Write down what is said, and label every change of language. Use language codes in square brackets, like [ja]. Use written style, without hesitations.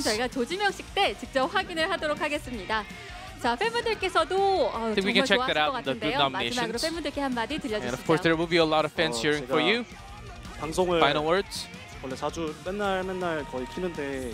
[ko] 그 부분은 저희가 조지명식 때 직접 확인을 하도록 하겠습니다. 자, 팬분들께서도 정말 좋아하실 것 같은데요. 마지막으로 팬분들께 한마디 들려주시죠. [en] And of course, there will be a lot of fans cheering for you. Final words. [ko] 원래 자주 맨날 거의 키는데